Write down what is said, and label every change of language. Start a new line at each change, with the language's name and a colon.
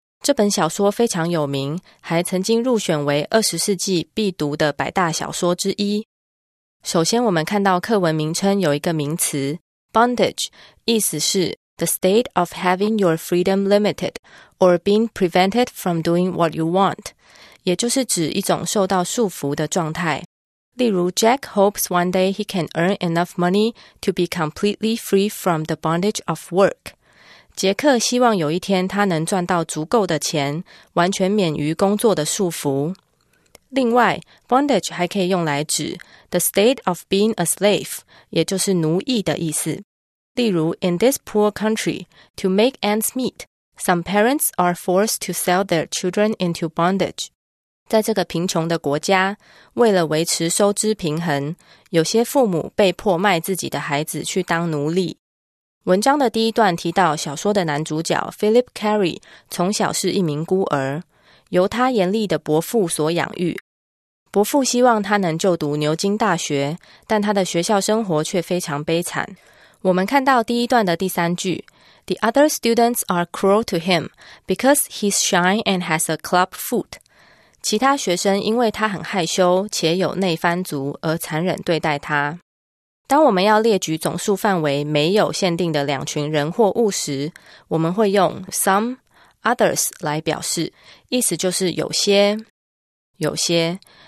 Chinese: 这本小说非常有名，还曾经入选为20世纪必读的百大小说之一。首先我们看到课文名称有一个名词
English: Bondage,
Chinese: 意思是
English: The state of having your freedom limited or being prevented from doing what you want.
Chinese: 也就是指一种受到束缚的状态。
English: 例如 Jack hopes one day he can earn enough money to be completely free from the bondage of work.
Chinese: 杰克希望有一天他能赚到足够的钱，完全免于工作的束缚。另外 ,bondage 还可以用来指
English: the state of being a slave,
Chinese: 也就是奴役的意思。
English: 例如 ,in this poor country, to make ends meet, some parents are forced to sell their children into bondage.
Chinese: 在这个贫穷的国家，为了维持收支平衡，有些父母被迫卖自己的孩子去当奴隶。文章的第一段提到，小说的男主角 Philip Carey 从小是一名孤儿，由他严厉的伯父所养育。伯父希望他能就读牛津大学，但他的学校生活却非常悲惨。我们看到第一段的第三句，
English: The other students are cruel to him because he's shy and has a club foot.
Chinese: 其他学生因为他很害羞且有内番族而残忍对待他。当我们要列举总数范围没有限定的两群人或物时，我们会用 some, others 来表示，意思就是有些，有些。